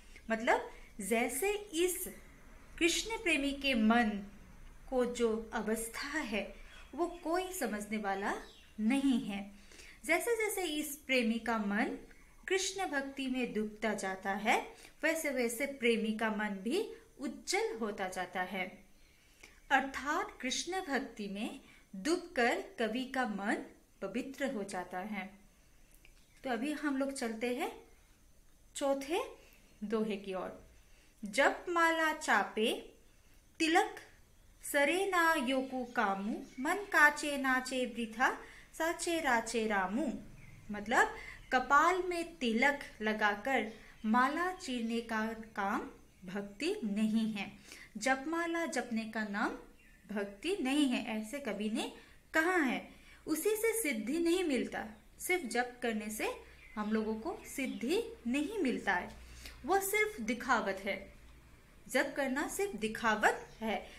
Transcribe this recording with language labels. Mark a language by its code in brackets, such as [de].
[hi] मतलब जैसे इस कृष्ण प्रेमी के मन को जो अवस्था है वो कोई समझने वाला नहीं है, जैसे जैसे इस प्रेमी का मन कृष्ण भक्ति में डूबता जाता है वैसे वैसे प्रेमी का मन भी उज्जवल होता जाता है। अर्थात कृष्ण भक्ति में डूब कर कवि का मन पवित्र हो जाता है। तो अभी हम लोग चलते हैं चौथे दोहे की ओर। [bra] जप माला चापे तिलक सरे ना योकु कामु, मन काचे नाचे वृथा साचे राचे रामु। [hi] मतलब कपाल में तिलक लगाकर माला चीरने का काम भक्ति नहीं है, जप माला जपने का नाम भक्ति नहीं है, ऐसे कवि ने कहा है। उसी से सिद्धि नहीं मिलता, सिर्फ जप करने से हम लोगों को सिद्धि नहीं मिलता है, वह सिर्फ दिखावत है, जप करना सिर्फ दिखावत है।